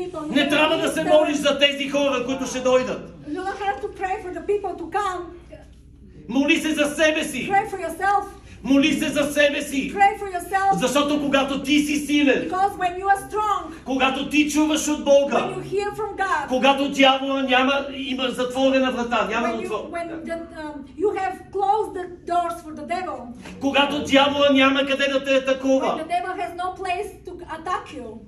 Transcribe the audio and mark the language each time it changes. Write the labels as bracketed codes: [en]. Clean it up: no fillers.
[bg] Не трябва да се молиш за тези хора, които ще дойдат. [en] You don't have to pray for the people to come. [bg] Моли се за себе си. [en] Pray for yourself. [bg] Моли се за себе си. [en] Pray for yourself. [bg] Защото когато ти си силен, [en] because when you are strong, [bg] когато ти чуваш от Бога, [en] when you hear from God, [bg] когато дявола няма, има затворена врата, няма отвор. Когато дявола няма къде да те атакува, [en] when the devil has no place to attack you,